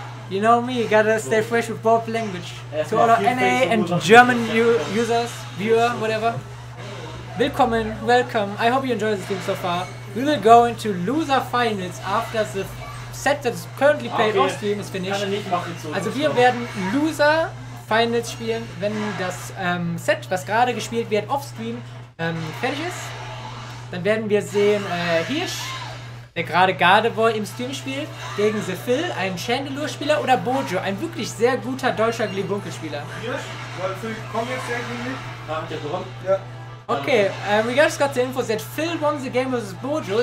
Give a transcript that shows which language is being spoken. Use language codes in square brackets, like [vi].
[en] You know me, you gotta stay fresh with both language. To all our NA and German users, viewer, whatever. Willkommen, welcome. I hope you enjoyed this game so far. We will go into loser finals after the set that is currently played off stream is finished. [de] Also wir werden loser finals spielen, wenn das Set, was gerade gespielt wird, off stream fertig ist. Dann werden wir sehen, Hirsch, der gerade Gardevoir im Stream spielt, gegen The Phil, ein Chandelure-Spieler, oder Bojo, ein wirklich sehr guter deutscher Glibunkel-Spieler. Hirsch, weil Phil kommt jetzt ja gegen mich. Ah, ja, warum? Ja. [en] Okay, we just got the info that Phil won the game versus Bojo.